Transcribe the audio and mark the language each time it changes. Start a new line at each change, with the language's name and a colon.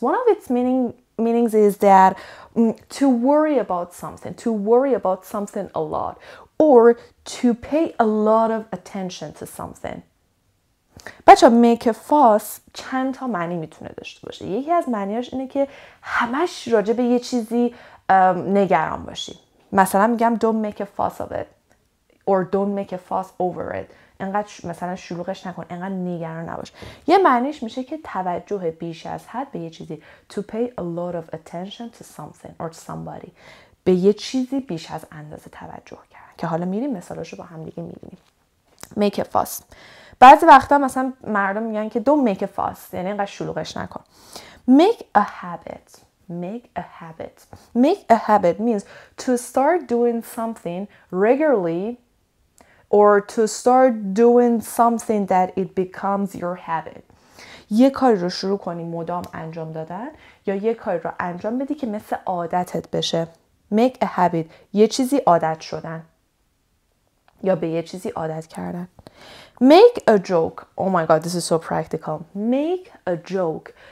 English: One of its meanings is that to worry about something, to worry about something a lot, or to pay a lot of attention to something.
Persian: بچه make a fuss چند تا معنی میتونه داشته باشه. یکی از معنیاش اینه که همش راجع به یه چیزی نگران باشی. مثلا میگم
English: don't make a fuss of it. or don't make a fuss over it.
Persian: انقدر مثلا شلوغش نکن، انقدر نگران نباش. یه معنیش میشه که توجه بیش از حد به یه چیزی،
English: to pay a lot of attention to something or somebody.
Persian: به یه چیزی بیش از اندازه توجه کردن. که حالا میریم مثالاشو با هم دیگه میبینیم.
English: Make a fuss.
Persian: بعضی وقتا مثلا مردم میگن که
English: don't make a fuss،
Persian: یعنی انقدر شلوغش نکن.
English: Make a habit. Make a habit means to start doing something regularly or to start doing something that it becomes your habit.
Persian: یه کار رو شروع کنی مدام انجام دادن یا یه کار رو انجام بدی که مثل عادتت بشه.
English: Make a habit.
Persian: یه چیزی عادت شدن. یا به یه چیزی عادت کردن.
English: Make a joke. Oh my god, this is so practical. Make a joke.